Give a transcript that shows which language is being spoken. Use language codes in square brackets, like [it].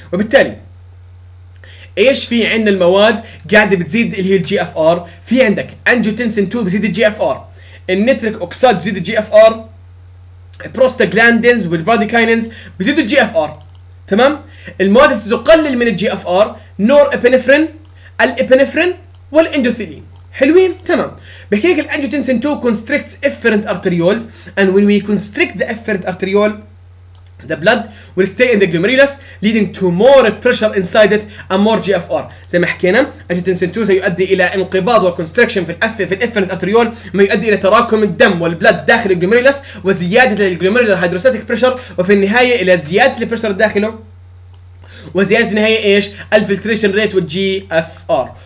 [ar] وبالتالي ايش في عندنا المواد قاعده بتزيد اللي هي الجي اف ار؟ في عندك انجيوتنسين 2 بزيد الجي اف ار، النيتريك اوكسيد بزيد الجي اف ار، البروستاجلاندينز والبراديكاينينز بزيدوا الجي اف ار، تمام؟ المواد اللي تقلل من الجي اف ار نور ابينفرين، الابينفرين والاندوثيلين، حلوين؟ تمام. بحكي لك [en] الانجيوتنسين 2 constricts afferent arterioles, and when we constrict the afferent arteriole the blood will stay in the glomerulus leading to more pressure inside it and more GFR. [ar] زي ما حكينا angiotensin 2 سيؤدي الى انقباض وكونستركشن في الافيرنت ارتريول، ما يؤدي الى تراكم الدم والبلد داخل الجلوميرولس وزياده الجلوميرولر هيدروستاتيك بريشر، وفي النهايه الى زياده البريشر داخله وزياده النهايه ايش الفلتريشن ريت والجي اف ار.